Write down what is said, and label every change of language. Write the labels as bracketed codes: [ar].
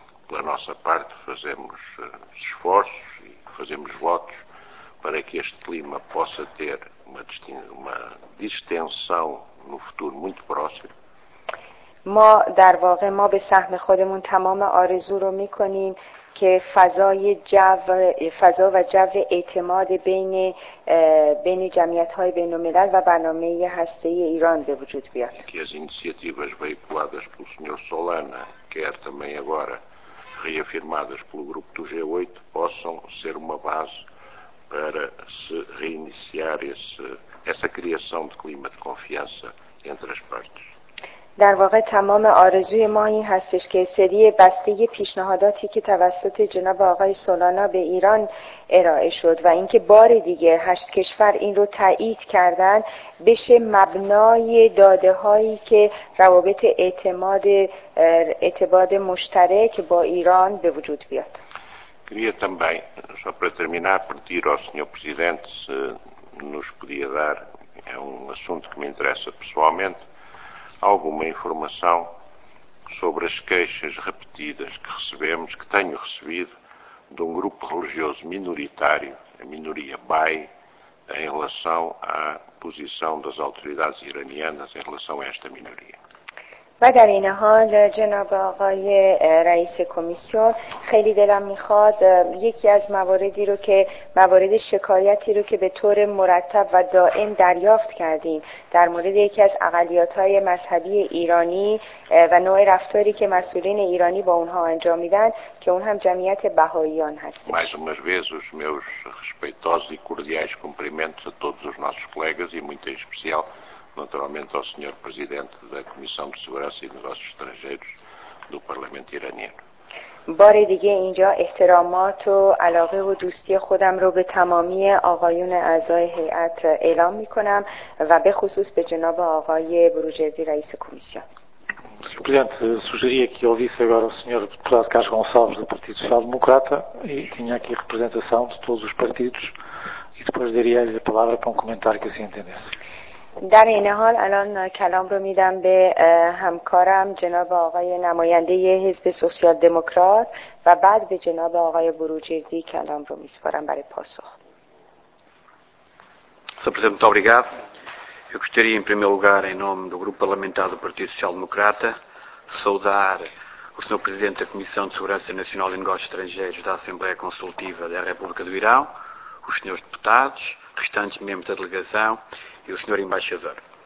[pt] Da nossa parte fazemos esforços e fazemos votos para que este clima possa ter uma distensão no futuro muito próximo. [fa] ما در واقع ما به سهم خودمون تمام آرزو رو می‌کنیم که فضا و جو اعتماد بین جمعیت‌های بین‌الملل و برنامه هسته‌ای ایران به وجود بیاد. که از [pt] iniciativas veiculadas pelo senhor Solana, quer também agora reafirmadas pelo grupo do G8, possam ser uma base para se reiniciar essa criação de clima de confiança entre as partes. [fa] در واقع تمام آرزوی ما این هستش که سری بسته پیشنهاداتی که توسط جناب آقای سولانا به ایران ارائه شد و اینکه بار دیگه 8 کشور این رو تایید کردن بشه مبنای داده هایی که روابط اعتماد مشترک با ایران به وجود بیاد. [pt] Queria também, só para terminar, pedir ao Sr. Presidente se nos podia dar, é um assunto que me interessa pessoalmente, alguma informação sobre as queixas repetidas que recebemos, que tenho recebido, de um grupo religioso minoritário, a minoria Bai, em relação à posição das autoridades iranianas em relação a esta minoria. [fa] و در این حال جناب آقای رئیس کمیسیون خیلی دلم میخواد یکی از موارد شکایتی رو که به طور مرتب و دائم دریافت کردیم در مورد یکی از اقلیت‌های مذهبی ایرانی و نوع رفتاری که مسئولین ایرانی با اونها انجام میدن که اون هم جمعیت بهائیان هست. [pt] Mais uma vez os meus respeitosos e cordiais cumprimentos a todos os nossos colegas e muito em especial naturalmente ao Sr. Presidente da Comissão de Segurança e Negócios Estrangeiros do Parlamento Iraniano. [fa] بار دیگه اینجا احترامات و علاقه و دوستی خودم رو به تمامی آقایون اعضای هیئت اعلام میکنم و به خصوص به جناب آقای بروجردی رئیس کمیسیون. [pt] Sr. Presidente, sugeria que ouvisse agora o Sr. Deputado Carlos Gonçalves do Partido Social Democrata e tinha aqui representação de todos os partidos e depois daria-lhe a palavra para um comentário que assim entendesse. [fa] در این حال الان کلام رو میدم به همکارم جناب آقای نماینده حزب سوسیال دموکرات و بعد به جناب آقای بروجردی کلام رو میسپارم برای پاسخ. [pt] Sr. Presidente, muito obrigado. Eu gostaria, em primeiro lugar, em nome do Grupo Parlamentar do Partido Social Democrata, saudar o Sr. Presidente da Comissão de Segurança Nacional e Negócios Estrangeiros da Assembleia Consultiva da República do Irão, os Srs. Deputados, restantes membros da delegação e o Sr. Embaixador.